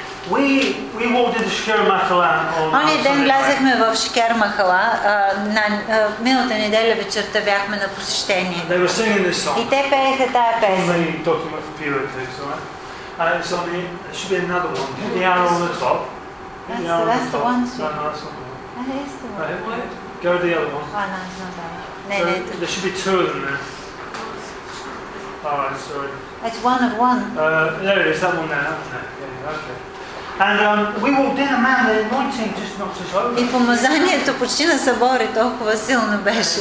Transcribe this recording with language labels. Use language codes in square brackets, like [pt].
[en] We walked into Shikhar Mahala on [bg] ден влязахме в Шикер Махала, на миналата неделя вечерта бяхме на посещение. [en] They were singing this song. [bg] И те пееха тая песен. [en] It's on the document for Peter, it takes, right? It's on the, it should be another one. The arrow on the top. That's, on that's the top. One, sir. No, that's not the one. That is the one. Go to the other one. Oh, no, it's not that one. No, there should be two of them there. Alright, sorry. It's one of one. There it is, that one there, isn't it? Yeah, okay. And we walked in a man, the anointing just knocked us over. [bg] И помазанието почти на събори толкова силно беше.